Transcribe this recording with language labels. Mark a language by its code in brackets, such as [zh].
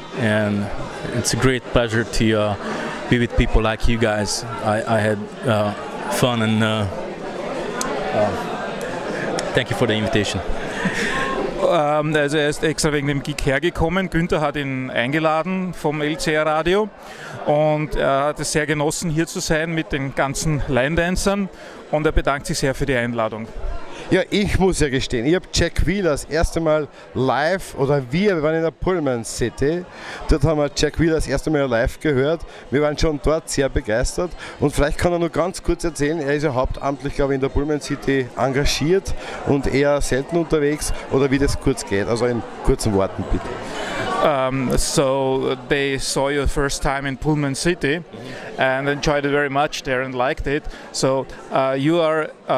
[en] And it's a great pleasure to be with people like you guys. I had fun and thank you for the invitation. [de] Also er ist extra wegen dem Gig hergekommen. Günter hat ihn eingeladen vom LCR Radio und er hat es sehr genossen, hier zu sein mit den ganzen Line-Dancern und er bedankt sich sehr für die Einladung. Ja, ich muss ja gestehen, ich habe Jack Wheeler das erste Mal live, oder wir waren in der Pullman City, dort haben wir Jack Wheeler das erste Mal live gehört, wir waren schon dort sehr begeistert und vielleicht kann er nur ganz kurz erzählen, er ist ja hauptamtlich, glaube ich, in der Pullman City engagiert und eher selten unterwegs, oder wie das kurz geht, also in kurzen Worten bitte. [en] So they saw your first time in Pullman City and enjoyed it very much there and liked it, so you are...